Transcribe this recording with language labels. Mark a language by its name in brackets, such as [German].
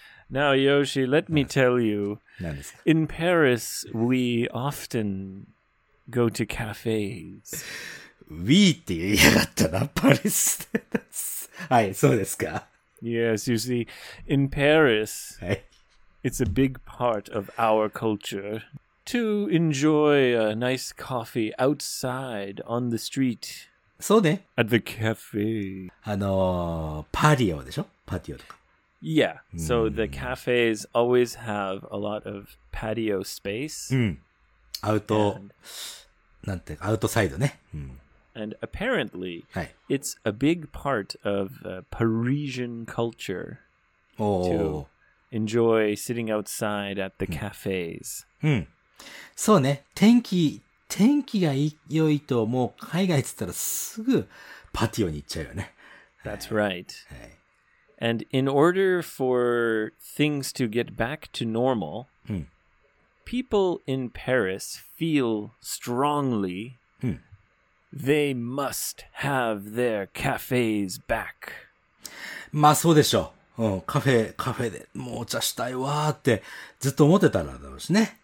[English] Now, Yoshi, let me tell you. [Japanese] 何ですか? [English] In Paris, we often go to cafes. [Japanese] We って言いやがったな、パリスで。はい、そうですか。 [English] Yes, you see, in Paris, it's a big part of our culture to enjoy a nice coffee outside on the street. [Japanese] そうね。 [English] At the cafe. [Japanese] パティオでしょ?パティオとか。 [English] Yeah, so the cafes always have a lot of patio space. [Japanese] アウトサイドね。 [English] And apparently, it's a big part of Parisian culture to enjoy sitting outside at the cafes. [Japanese] そうね。天気が良いともう海外って言ったらすぐパティオに行っちゃうよね。 [English] That's right. And in order for things to get back to normal, people in Paris feel strongly they must have their cafes back. [Japanese] まあそうでしょう。うん、カフェでもうお茶したいわーってずっと思ってたらだろうしね。